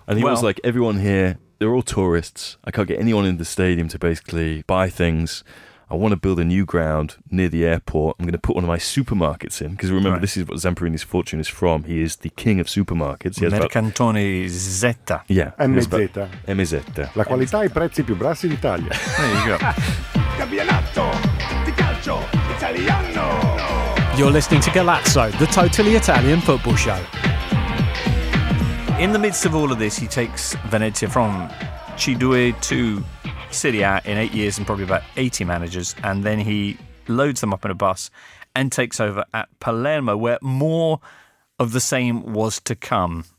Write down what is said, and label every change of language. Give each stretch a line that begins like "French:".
English: And he was like, everyone here, they're all tourists. I can't get anyone in the stadium to basically buy things. I want to build a new ground near the airport. I'm going to put one of my supermarkets in. Because remember, right. This is what Zamperini's fortune is from. He is the king of supermarkets. He has Mercantoni Zeta. Yeah. MZ. MZ.
Italian: La qualità e I prezzi più bassi d'Italia.
English: There you go.
Italian: Campionato di calcio italiano.
English: You're listening to Galazzo, the totally Italian football show. In the midst of all of this, he takes Venezia from C2 to Serie A in 8 years and probably about 80 managers, and then he loads them up in a bus and takes over at Palermo, where more of the same was to come.